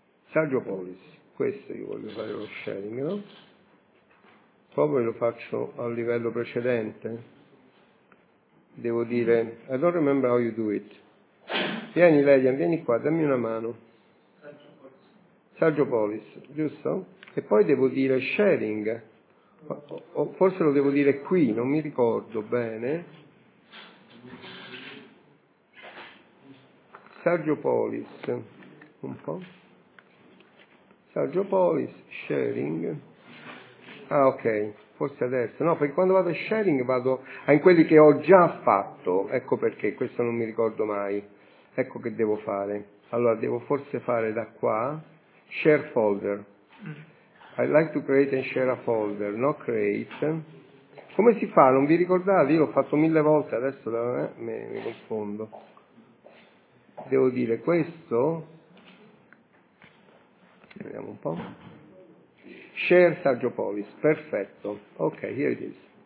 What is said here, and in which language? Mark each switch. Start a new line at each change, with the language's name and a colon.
Italian: Sergiopolis, questo io voglio fare lo sharing, no? Poi lo faccio a livello precedente.
English: Devo dire, I don't remember how you do it.
Italian: Vieni, Ledian, vieni qua, dammi una mano. Sergiopolis, giusto? E poi devo dire sharing, o forse lo devo dire qui, non mi ricordo bene. Sergiopolis, un po'. Sergiopolis, sharing. Ah, ok, forse adesso. No, perché quando vado a sharing vado a quelli che ho già fatto, ecco perché, questo non mi ricordo mai. Ecco che devo fare. Allora, devo forse fare da qua, share folder.
English: I'd like to create and share a folder, no create.
Italian: Come si fa? Non vi ricordate? Io l'ho fatto mille volte, adesso mi confondo. Devo dire questo. Vediamo un po'. Share Sergio Polis, perfetto.
English: Ok, here it is.